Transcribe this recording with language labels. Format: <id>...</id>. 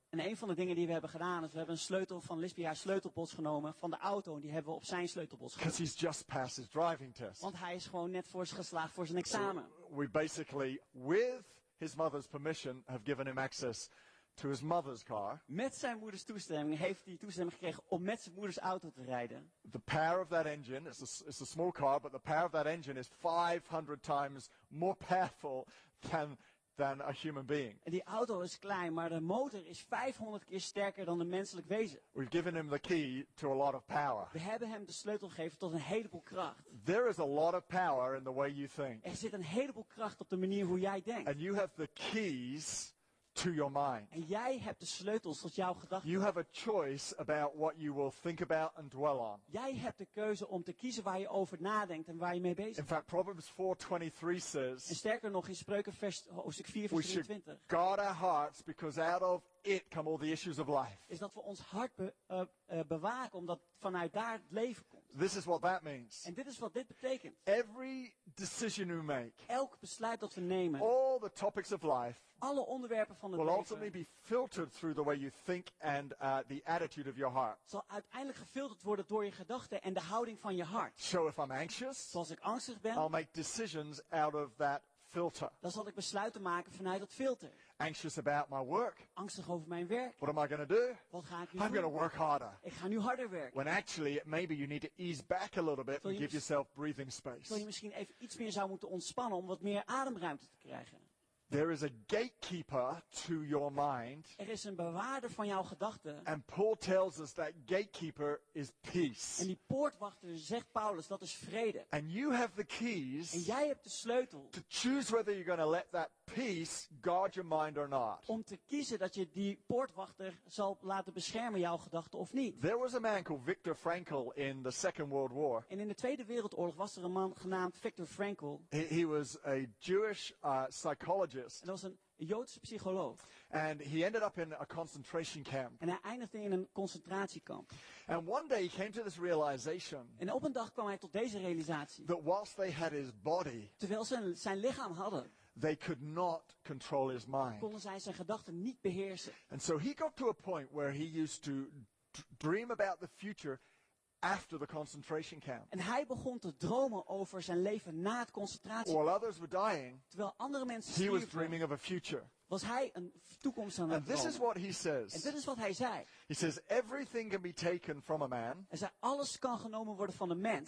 <nl>En een van de dingen die we hebben gedaan is we hebben een sleutel van Lisby haar sleutelbos genomen van de auto en die hebben we op zijn sleutelbos genomen.</nl> <en>Because he's just passed his driving test.</en> <nl>Want hij is gewoon net voor geslaagd voor zijn examen.</nl> <en>So we basically with his mother's permission have given him access to his mother's car.</en> <nl>Met zijn moeders toestemming heeft hij toestemming gekregen om met zijn moeders auto te rijden.</nl> <en>The power of that engine, it's a small car, but the power of that engine is 500 times more powerful than a human being.</en> <nl>En die auto is klein, maar de motor is 500 keer sterker dan een menselijk wezen.</nl> <en>We've given him the key to a lot of power.</en> <nl>We hebben hem de sleutel gegeven tot een heleboel kracht.</nl> <en>There is a lot of power in the way you think.</en> <nl>Er zit een heleboel kracht op de manier hoe jij denkt.</nl> <en>And you have the keys to your mind.</en> <nl>En jij hebt de sleutels tot jouw gedachten.</nl> <en>You have a choice about what you will think about and dwell on.</en> <nl>Jij hebt de keuze om te kiezen waar je over nadenkt en waar je mee bezig bent.</nl> <en>In fact, Proverbs 4:23 says.</en> <nl>En sterker nog, in Spreuken hoofdstuk 4 vers 23.</nl> <en>We should guard our hearts because out of it come all the issues of life.</en> <nl>Is dat we ons hart bewaken omdat vanuit daar het leven komt.</nl> <en>This is what that means.</en> <nl>En dit is wat dit betekent.</nl> <en>Every decision we make.</en> <nl>Elk besluit dat we nemen.</nl> <en>All the topics of life.</en> <nl>Alle onderwerpen van het</nl> <en>will</en> <nl>leven.</nl> <en>Will ultimately be filtered through the way you think and the attitude of your heart.</en> <nl>Zal uiteindelijk gefilterd worden door je gedachten en de houding van je hart.</nl> <en>So if I'm anxious.</en> <nl>Zoals ik angstig ben.</nl> <en>I'll make decisions out of that filter.</en> <nl>Dan zal ik besluiten maken vanuit dat filter.</nl> <en>Anxious about my work.</en> <nl>Angstig over mijn werk.</nl> <en>What am I going to do?</en> <nl>Wat ga ik nu</nl> <en>I'm</en> <nl>doen?</nl> <en>I'm going to work harder.</en> <nl>Ik ga nu harder werken.</nl> <en>When actually maybe you need to ease back a little bit and give yourself breathing space.</en> <nl>Terwijl je misschien even iets meer zou moeten ontspannen om wat meer ademruimte te krijgen.</nl> <en>There is a gatekeeper to your mind.</en> <nl>Er is een bewaarder van jouw gedachten.</nl> <en>And Paul tells us that gatekeeper is peace.</en> <nl>En die poortwachter zegt Paulus dat is vrede.</nl> <en>And you have the keys.</en> <nl>En jij hebt de sleutel.</nl> <en>To choose whether you're going to let that peace guard your mind or not.</en> <nl>Om te kiezen dat je die poortwachter zal laten beschermen jouw gedachten of niet.</nl> <en>There was a man called Viktor Frankl in the Second World War.</en> <nl>En in de Tweede Wereldoorlog was er een man genaamd Viktor Frankl.</nl> <en>He was a Jewish psychologist.</en> <nl>En dat was een Een Joodse psycholoog.</nl> <en>And he ended up in a concentration camp.</en> <nl>En hij eindigde in een concentratiekamp.</nl> <en>And one day he came to this realization.</en> <nl>En op een dag kwam hij tot deze realisatie.</nl> <en>That whilst they had his body.</en> <nl>Terwijl ze zijn lichaam hadden.</nl> <en>They could not control his mind.</en> <nl>Konden zij zijn gedachten niet beheersen.</nl> <en>And so he got to a point where he used to dream about the future. After the concentration camp.</en> <nl>En hij begon te dromen over zijn leven na het concentratiekamp.</nl> <en>While others were dying,</en> <nl>terwijl andere mensen stierven,</nl> <en>he was dreaming of a future.</en> <nl>Was hij een toekomst aan het dromen.</nl> <en>And this is what he says.</en> <nl>En dit is wat hij zei.</nl> <en>He says, everything can be taken from a man.</en> <nl>Hij zei, alles kan genomen worden van een mens.</nl>